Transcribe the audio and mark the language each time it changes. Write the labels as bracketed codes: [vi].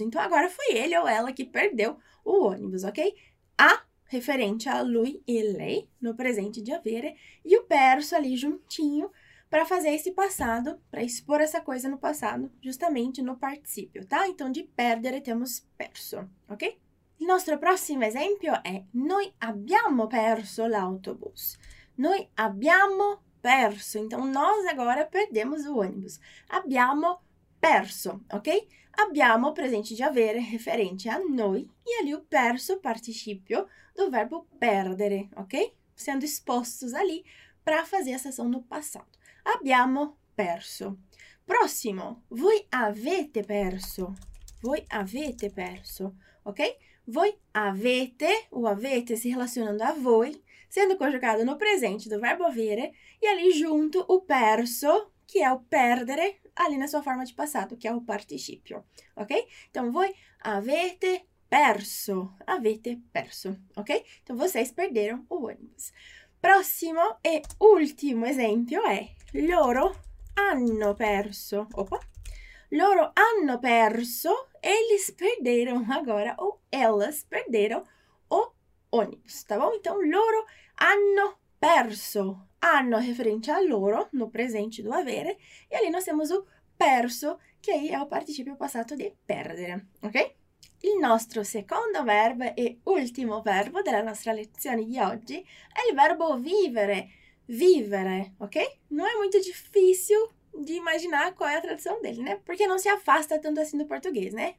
[pt] Então, agora foi ele ou ela que perdeu o ônibus, ok? A, referente a lui e lei, no presente de avere, e o perso ali juntinho para fazer esse passado, para expor essa coisa no passado, justamente no participio, tá? Então, de perdere temos perso, ok? [it] Il nostro prossimo esempio è noi abbiamo perso l'autobus. Noi abbiamo perso. [pt] Então, nós agora perdemos o ônibus. [it] Abbiamo perso, [pt] ok? Abbiamo, presente de avere, referente a noi, e ali o perso, participio do verbo perdere, ok? Sendo expostos ali para fazer essa ação no passado. [it] Abbiamo perso. Prossimo. Voi avete perso. Voi avete perso. Ok? [pt] Voi avete, o avete se relacionando a voi, sendo conjugado no presente do verbo avere, e ali junto o perso, que é o perdere, ali na sua forma de passado, que é o participio. Ok? Então, [it] voi avete perso. Avete perso. Ok? [pt] Então, vocês perderam o ônibus. [it] Prossimo e ultimo esempio è loro hanno perso. [pt] Opa! [it] Loro hanno perso, [pt] eles perderam agora, ou elas perderam o ônibus, tá bom? Então, [it] loro hanno perso. [pt] Hanno referente a loro, no presente do avere, e ali nós temos o perso, che aí è o participio passato di perdere, ok? [it] Il nostro secondo verbo e ultimo verbo della nostra lezione di oggi è il verbo vivere. Vivere, ok? Non è molto difficile [pt] de imaginar qual é a tradução dele, né? Porque não se afasta tanto assim do português, né?